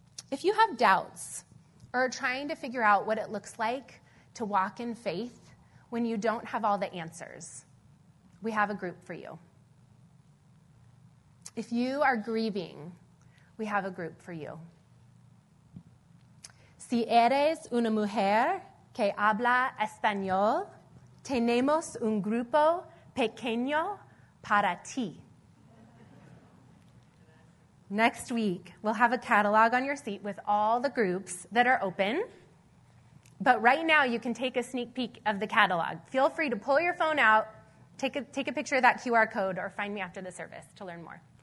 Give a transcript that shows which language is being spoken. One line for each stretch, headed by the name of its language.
English: If you have doubts or are trying to figure out what it looks like to walk in faith when you don't have all the answers, we have a group for you. If you are grieving, we have a group for you.
Spanish: Si eres una mujer que habla español, tenemos un grupo pequeño para ti.
English: Next week, we'll have a catalog on your seat with all the groups that are open. But right now, you can take a sneak peek of the catalog. Feel free to pull your phone out, take a picture of that QR code, or find me after the service to learn more.